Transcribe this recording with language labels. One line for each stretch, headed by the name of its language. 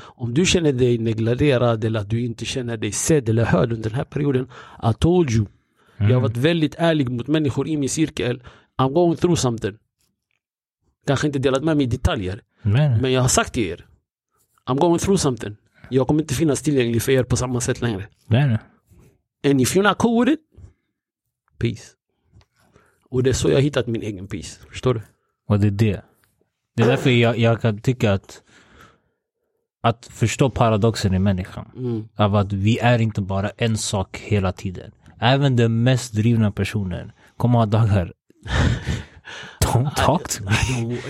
Swedish: Om du känner dig negligerad eller att du inte känner dig sedd eller hörd under den här perioden,
English: I told you.
Swedish: Jag har varit väldigt ärlig mot människor i min cirkel.
English: I'm going through something.
Swedish: Kanske inte delat med mig detaljer. Men jag har sagt till er,
English: I'm going through something.
Swedish: Jag kommer inte finnas tillgänglig för er på samma sätt längre. Men.
English: And if you're not cool with it, peace.
Swedish: Och det är så jag har hittat min egen peace. Förstår du? Och det är det. Det är därför jag kan tycka att förstå paradoxen i människan. Mm. Av att vi är inte bara en sak hela tiden. Även den mest drivna personen kommer ha dagar.
English: Don't talk to me.